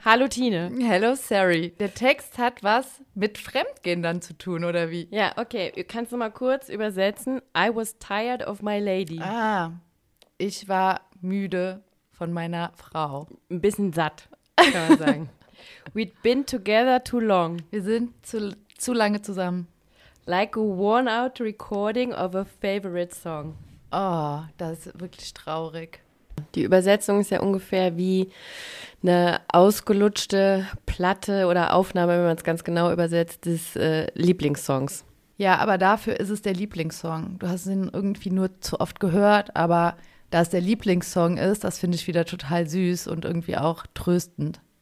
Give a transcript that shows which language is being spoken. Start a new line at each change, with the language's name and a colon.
German: hallo Tine.
English: Hello Sari.
German: Der Text hat was mit Fremdgehen dann zu tun, oder wie? Ja, okay. Kannst du mal kurz übersetzen?
English: I was tired of my lady.
German: Ah, ich war müde von meiner Frau. Ein bisschen satt, kann man sagen.
English: We'd been together too long.
German: Wir sind zu lange zusammen.
English: Like a worn-out recording of a favorite song.
German: Oh, das ist wirklich traurig. Die Übersetzung ist ja ungefähr wie eine ausgelutschte Platte oder Aufnahme, wenn man es ganz genau übersetzt, des Lieblingssongs. Ja, aber dafür ist es der Lieblingssong. Du hast ihn irgendwie nur zu oft gehört, aber da es der Lieblingssong ist, das finde ich wieder total süß und irgendwie auch tröstend.